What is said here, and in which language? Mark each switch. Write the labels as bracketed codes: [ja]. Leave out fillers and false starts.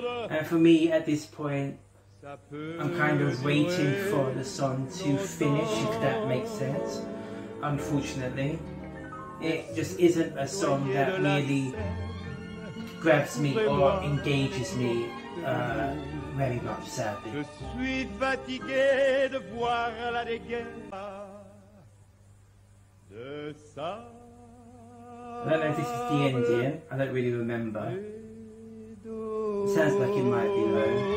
[en] And for me at this point, I'm kind of waiting for the song to finish, if that makes sense. Unfortunately, it just isn't a song that really grabs me or engages me very much, sadly. [fr] Je suis fatigué de voir la dégaine de ça. [en] I don't know if this is the end here. I don't really remember. It sounds like it might be low.